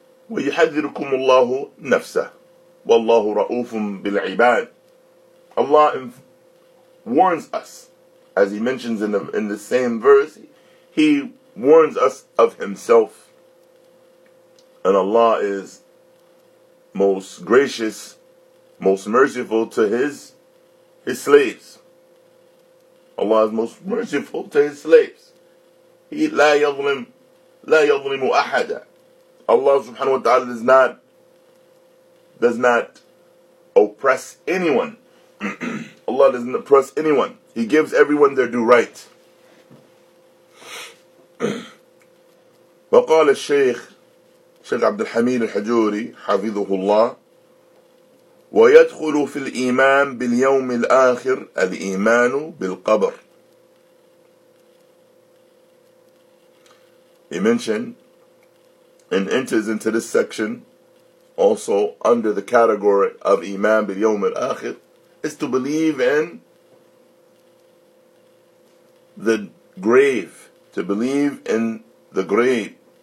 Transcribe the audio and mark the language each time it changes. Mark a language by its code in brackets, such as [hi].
[ar] وَيُحَذِّرُكُمُ اللَّهُ نَفْسَهُ وَاللَّهُ رَؤُوفٌ بِالْعِبَادِ, [en] Allah warns us, as he mentions in the same verse, he warns us of himself. And Allah is most gracious, most merciful to his slaves. Allah is most merciful to his slaves. [ar] He لا يظلم أحدا. [en] Allah subhanahu wa ta'ala does not oppress anyone. Allah doesn't oppress anyone. He gives everyone their due right. [ar] وقال الشيخ عبد الحميد الحجوري حفظه الله ويدخل في الإيمان باليوم الآخر الإيمان بالقبر. [en] He mentioned and enters into this section also under the category of Iman bil Yawm al Akhir, is to believe in the grave, to believe in the grave.